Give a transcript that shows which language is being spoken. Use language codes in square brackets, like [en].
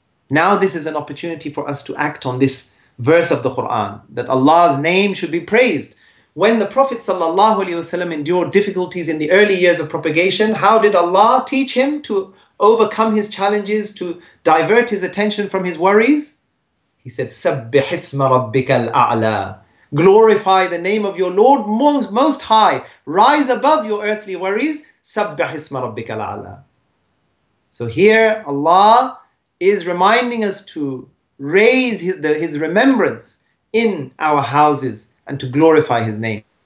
[en] Now this is an opportunity for us to act on this verse of the Quran, that Allah's name should be praised. When the Prophet ﷺ endured difficulties in the early years of propagation, how did Allah teach him to overcome his challenges, to divert his attention from his worries? [ar] He said, سَبِّحِ اسْمَ رَبِّكَ الْأَعْلَى. [en] Glorify the name of your Lord most high. Rise above your earthly worries. [ar] سَبِّحِ اسْمَ رَبِّكَ الْأَعْلَى. [en] So here Allah is reminding us to raise his remembrance in our houses and to glorify his name.